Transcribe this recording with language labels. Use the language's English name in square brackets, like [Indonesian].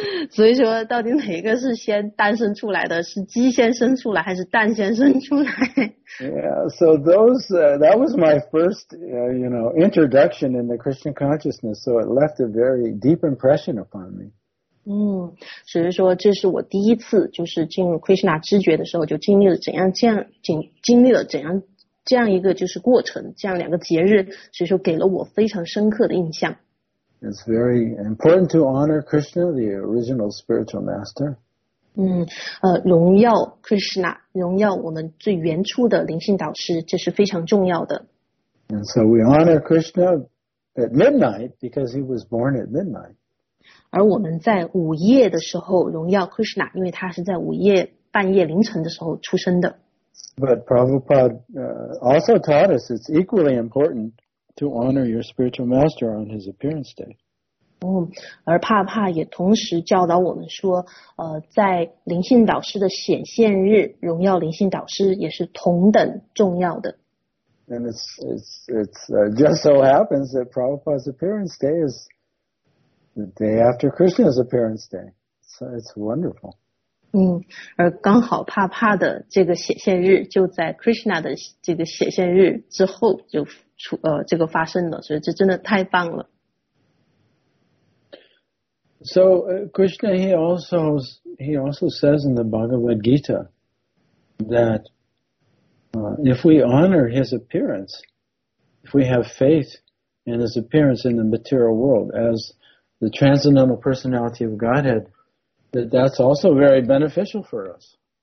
[Chinese] 所以说到底哪一个是先诞生出来的，是鸡先生出来还是蛋先生出来？ [English] Yeah, so those, that was my first, introduction in the Christian consciousness, so it left a very deep impression upon me. [Chinese] 所以说这是我第一次就是进入 Krishna 知觉的时候就经历了怎样这样经历了怎样这样一个就是过程，这样两个节日，所以说给了我非常深刻的印象。 [English] It's very important to honor Krishna, the original spiritual master. [Chinese] 荣耀 Krishna, 荣耀我们最原初的灵性导师，这是非常重要的。 [English] And so we honor Krishna at midnight because he was born at midnight. [Chinese] 而我们在午夜的时候荣耀 Krishna, 因为他是在午夜半夜凌晨的时候出生的。 [English] But Prabhupada also taught us it's equally importantTo honor your spiritual master on his appearance day. [Chinese] 而帕帕也同时教导我们说，在灵性导师的显现日，荣耀灵性导师也是同等重要的。 [English] And it's just so happens that Prabhupada's appearance day is the day after Krishna's appearance day. So it's wonderful. [Chinese] 而刚好帕帕的这个显现日就在 Krishna 的这个显现日之后就。这个发生了，所以这真的太棒了。 [English] So Krishna, he also says in the Bhagavad Gita that if we honor his appearance, if we have faith in his appearance in the material world as the transcendental personality of Godhead, that that's also very beneficial for us.